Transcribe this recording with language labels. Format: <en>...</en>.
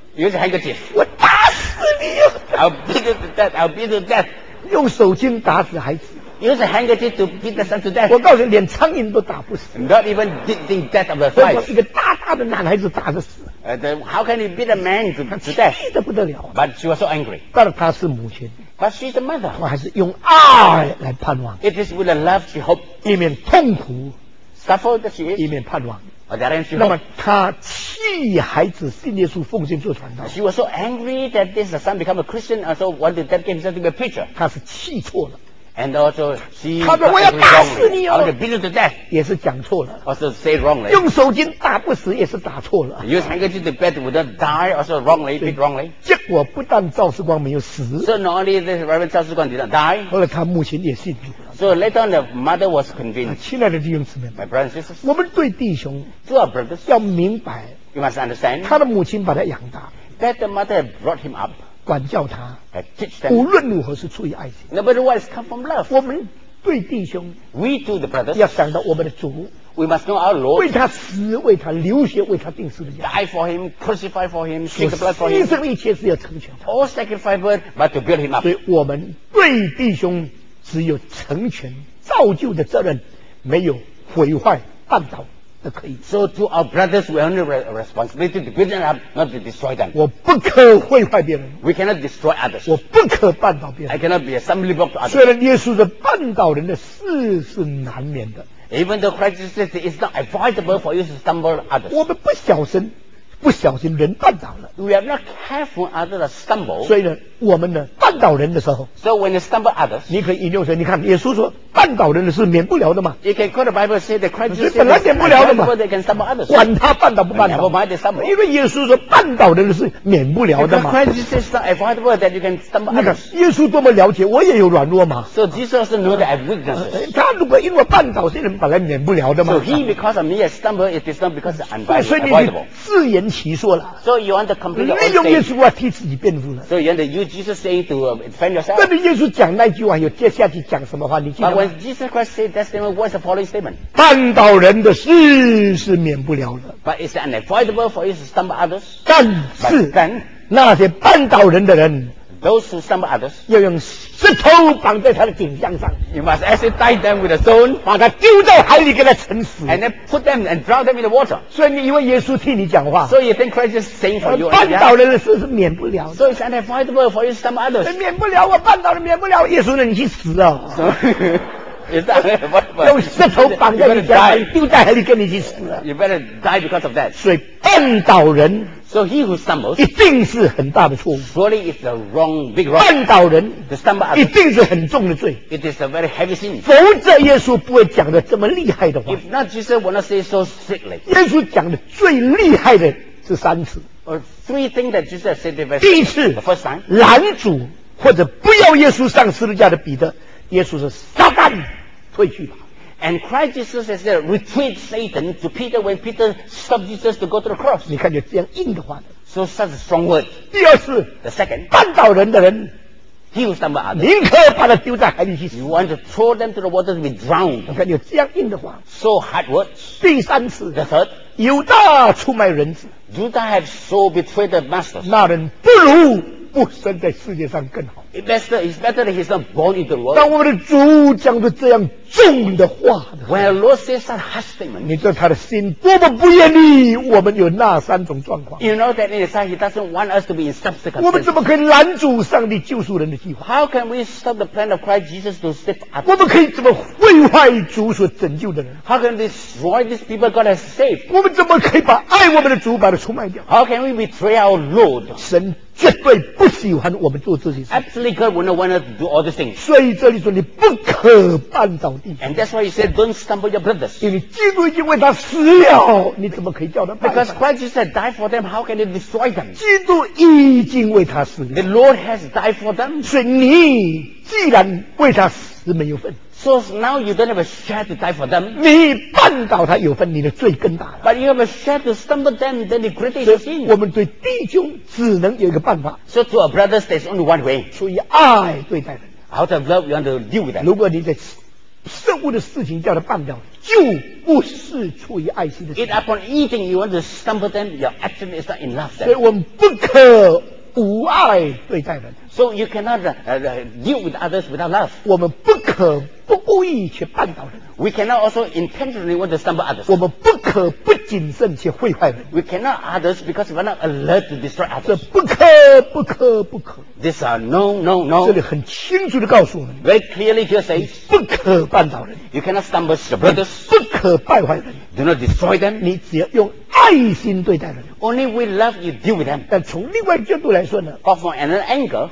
<en>Use handkerchief.</en> <zh>我打死你！</zh> <en>I'll beat you to death. I'll beat you to death.</en> <zh>用手巾打死孩子。</zh> <en>Use handkerchief to beat the son to death.</en> <zh>我告诉你，连苍蝇都打不死。</zh> <en>Not even beating death of the flies.</en> <zh>为什么一个大大的男孩子打得死？</zh> <en>How can you beat a man to death?</en> <zh>他气得不得了。</zh> <en>But she was so angry.</en> <zh>但是她是母亲。</zh> <en>But she's the mother.</en> <zh>我还是用爱来盼望。</zh> <en>It is with a love she hope.</en> <zh>一面痛苦</zh> <en>，suffer that she is.</en> <zh>一面盼望。 Oh, 那么他气孩子信耶稣奉献做传道。</zh> <en>She was so angry that this son become a Christian, and so wanted that game to be a preacher.</en> <zh>他是气错了。</zh> <en>And also she.</en> <zh>他说我要打死你哦。</zh> <en>I'll beat you to death.</en> <zh>也是讲错了。</zh> <en>Also say wrongly.</en> <zh>用手巾打不死也是打错了。</zh> <en>Use handkerchief to beat without die, also wrongly, beat wrongly.</en> <zh>结果不但赵世光没有死。</zh> <en>So not only this Reverend 赵世光did not die.</en> <zh>后来他母亲也信主。</zh> <en>So later on, the mother was convinced.</en> <zh>亲爱的弟兄姊妹</zh> <en>，my brothers and sisters，</en> <zh>我们对弟兄</zh> <en>，to our brothers，</en> <zh>要明白</zh> <en>，you must understand，</en> <zh>他的母亲把他养大</zh> <en>，that the mother brought him up，</en> <zh>管教他</zh> <en>，that teach them，</en> <zh>无论如何是出于爱心</zh> <en>，no matter what is come from love，</en> <zh>我们对弟兄</zh> <en>，we to the brothers，</en> <zh>要想到我们的主。</zh> <en>We must know our Lord.</en> <zh>为他死，为他流血，为他钉十字架。</zh> <en>Die for him, crucify for him, shed the blood for him.</en> <zh>牺牲一切是要成全他。</zh> <en>All sacrifice, but to build him up.</en> <zh>所以我们对弟兄只有成全、造就的责任，没有毁坏、绊倒的可以。</zh> <en>So to our brothers, we only responsibility to build them up, not to destroy them.</en> <zh>我不可毁坏别人。</zh> <en>We cannot destroy others.</en> <zh>我不可绊倒别人。</zh> <en>I cannot be a stumbling block to others.</en> <zh>虽然耶稣的绊倒人的事是难免的。</zh> <en>Even though Christ says it's not advisable for you to stumble others.</en> <zh>我们不小心，不小心人绊倒了。</zh> <en>We are not careful others stumble.</en> <zh>所以呢，我们呢绊倒人的时候。</zh> <en>So when you stumble others.</en> <zh>你可以引用说，你看耶稣说绊倒人的是免不了的嘛。</zh> <en>You can quote the Bible say that Christ says.</en> <zh>本来免不了的嘛。</zh> <en>They can stumble others.</en> <zh>管他绊倒不绊倒。</zh> <en>Never mind they stumble.</en> <zh>因为耶稣说绊倒人的是免不了的嘛。</zh> <en>Because Christ says it's not advisable that you can stumble others.</en> <zh>那个耶稣多么了解，我也有软弱嘛。</zh> <en>So Jesus knows that I have weaknesses.</en> <zh>他如果因为绊倒这人本来免不了的嘛。</zh> <en>So he because of me has stumbled, it is not because I'm advisable.</en> <zh>所以你自言其说了。</zh> <en>So you want to complete your own</en> <zh>statement. 利用耶稣话替自己辩护了。</zh> <en>So you want to use Jesus saying to defend yourself.</en> <zh>那么耶稣讲那句话，又接下去讲什么话？你记得吗？</zh> <en>Jesus Christ said that statement. What's the following statement?</en> <zh>绊倒人的事是免不了的。</zh> <en>But it's unavoidable for you to stumble others.</en> <zh>但是，但那些绊倒人的人</zh> <en>those some others，</en> <zh>要用石头绑在他的颈项上。</zh> <en>You must actually tie them with a stone，</en> <zh>把他丢在海里给他沉死。</zh> <en>And then put them and drown them in the water。</en> <zh>所以你以为耶稣替你讲话</zh> <en>？So you think Christ is saying for you？</en> <zh>绊倒人的事是免不了的。</zh> <en>So it's unavoidable for you some others。</en> <zh>免不了，我绊倒了，免不了。耶稣呢？你去死啊！用石头绑在你脚上，丢在海里跟你去死了。</zh> <en>You better die because of that。</en> <zh>所以绊倒人</zh> <en>，So he who stumbles，</en> <zh>一定是很大的错误。</zh> <en>Surely it's the wrong big wrong。</en> <zh>绊倒人</zh> <en>，the stumble，</en> <zh>一定是很重的罪。</zh> <en>It is a very heavy sin。</en> <zh>否则耶稣不会讲的这么厉害的话。</zh> <en>If not Jesus would not say so strictly。</en> <zh>耶稣讲的最厉害的是三次。</zh> <en>Or three things that Jesus said the best。</en> <zh>第一次</zh> <en>，the first time，</en> <zh>拦阻或者不要耶稣上十字架的彼得，耶稣是撒旦。退去吧。</zh> <en>And Christ Jesus has said, "Retreat, Satan!" to Peter when Peter stopped Jesus to go to the cross.</en> <zh>你看，就这样硬的话呢。</zh> <en>So such a strong word.</en> <zh>第二次</zh> <en>，the second，</en> <zh>绊倒人的人</zh> <en>，he was number other，</en> <zh>宁可把他丢在海里去死。</zh> <en>You want to throw them to the water to be drowned.</en> <zh>你看，就这样硬的话。</zh> <en>So hard words.</en> <zh>第三次</zh> <en>，the third，</en> <zh>犹大出卖人子。</zh> <en>Judas have so betrayed the master.</en> <zh>那人不如不生在世界上更好。</zh> <en>It's better that he's not born into the world.</en> <zh>当我们的主讲的这样重的话的</zh> <en>，When our Lord says such harsh statements,</en> <zh>你知道他的心多么不愿意我们有那三种状况。</zh> <en>You know that in his heart he doesn't want us to be in such circumstances.</en> <zh>我们怎么可以拦阻上帝救赎人的计划</zh> <en>？How can we stop the plan of Christ Jesus to save us?</en> <zh>我们可以怎么毁坏主所拯救的人</zh> <en>？How can we destroy these people God has saved?</en> <zh>我们怎么可以把爱我们的主把他出卖掉</zh> <en>？How can we betray our Lord?</en> <zh>神绝对不喜欢我们做这些事。</zh> <en>Absolutely, God would not want us to do all these things.</en> <zh>所以这里说你不可绊倒弟兄。</zh> <en>And that's why he said, "Don't stumble your brothers."</en> <zh>因为基督已经为他死了，你怎么可以叫他败坏</zh> <en>？Because Christ Jesus said, "Die for them." How can you destroy them?</en> <zh>基督已经为他死了。</zh> <en>The Lord has died for them.</en> <zh>所以你既然为他死没有份。</zh> <en>So now you don't have a share to die for them.</en> <zh>你绊倒他有份，你的罪更大了。</zh> <en>But you have a share to stumble them, then the greater your sin.</en> <zh>我们对弟兄只能有一个办法。</zh> <en>So to our brothers, there's only one way.</en> <zh>出于爱对待人。</zh> <en>Out of love, you want to deal with them.</en> <zh>如果你的圣物的事情叫他办掉，就不是出于爱心的事。</zh> <en>It upon eating, you want to stumble them. Your action is not in love.</en> <zh>所以我们不可无爱对待人。</zh> <en>So you cannot deal with others without love.</en> <zh>我们不可不故意去绊倒人。</zh> <en>We cannot also intentionally want to stumble others.</en> <zh>我们不可不谨慎去毁坏人。</zh> <en>We cannot others because we're not alert to destroy others.</en> <zh>这不可不可不可。</zh> <en>These are no, no, no.</en> <zh>这里很清楚地告诉我们。</zh> <en>Very clearly here says,</en> <zh>不可绊倒人。</zh> <en>You cannot stumble your brothers.</en> <zh>不可败坏人。</zh> <en>Do not destroy them.</en> <zh>你只要用爱心对待人。</zh> <en>Only with love you deal with them.</en> <zh>但从另外角度来说呢</zh> <en>，But from another angle,</en>